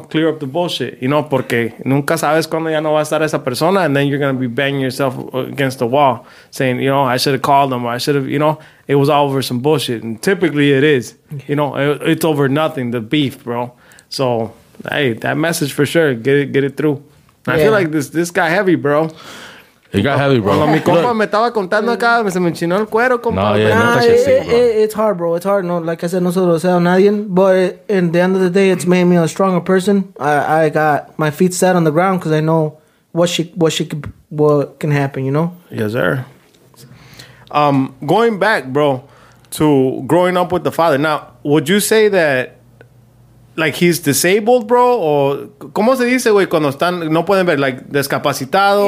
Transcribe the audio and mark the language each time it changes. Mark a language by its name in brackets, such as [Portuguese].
[English] Clear up the bullshit, you know? Porque nunca sabes cuando ya no va a estar esa persona, and then you're going to be banging yourself against the wall, saying, you know, I should have called them, or I should have, you know? It was all over some bullshit, and typically it is. You know, it's over nothing, the beef, bro. So, hey, that message for sure, get it through. I feel like this got heavy, bro. It got heavy, bro. [Spanish] Mi compa me estaba contando acá, se me enchinó el cuero, compa. [English] It's hard, bro. It's hard. No, like I said, no solo sea nadie, but in the end of the day, it's made me a stronger person. I got my feet set on the ground because I know what can happen, you know? Yes, sir. Going back, bro, to growing up with the father. Now, would you say that, like, he's disabled, bro? [Spanish] Or, ¿cómo se dice, güey, cuando están, no pueden ver, like, discapacitado?